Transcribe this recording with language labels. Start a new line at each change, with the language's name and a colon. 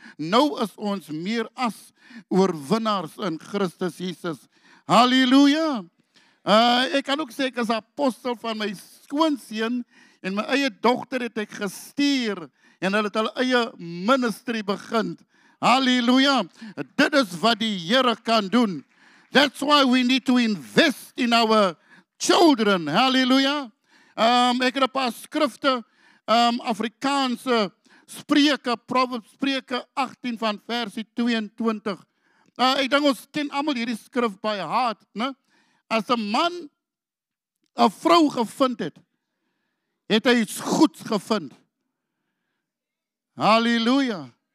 Afrikaans: Nou is ons meer as oorwinnaars in Christus Jesus. Halleluja. Ek kan ook sê, ek is apostel van my skoonseun en my eie dogter het ek gestuur en hulle het hulle eie ministry begin. Halleluja. Dit is wat die Here kan doen.
English: That's why we need to invest in our children.
Afrikaans: Halleluja. Ek het 'n paar skrifte, Afrikaanse spreuke, Proverbs spreuke 18 van versie 22. Ek dink ons ken almal hierdie skrif by hart, ne? As 'n man 'n vrou gevind het, het hy iets goeds gevind. Halleluja.